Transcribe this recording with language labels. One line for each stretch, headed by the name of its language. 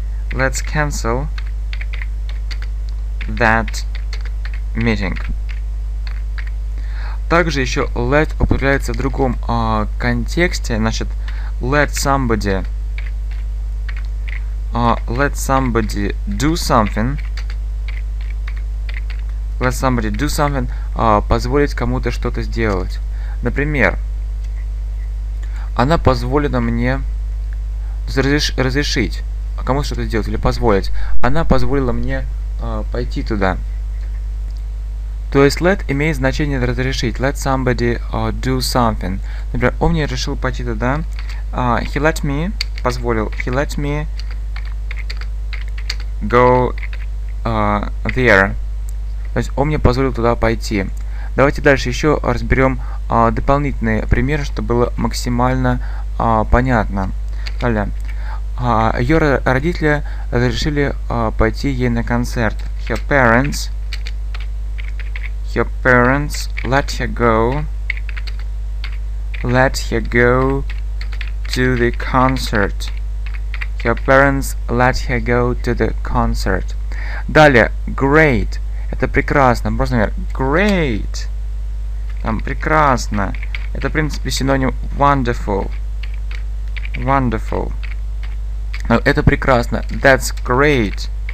English: Let's cancel that meeting.
Russian: Также еще let употребляется в другом контексте. Значит,
English: let somebody do something. Let somebody do something,
Russian: позволить кому-то что-то сделать. Например, она позволила мне разрешить кому-то что-то сделать или позволить. Она позволила мне пойти туда. То есть let имеет значение разрешить.
English: Let somebody do something.
Russian: Например, он мне решил пойти туда.
English: He let me,
Russian: позволил.
English: He let me go there.
Russian: То есть он мне позволил туда пойти. Давайте дальше еще разберем дополнительные примеры, чтобы было максимально понятно. Далее. Ее родители разрешили пойти ей на концерт.
English: Her parents let her go to the concert. Her parents let her go to the concert.
Russian: Далее, great. Это прекрасно. Просто, например, great. Там прекрасно. Это, в принципе, синоним wonderful.
English: Wonderful.
Russian: Это прекрасно.
English: That's great.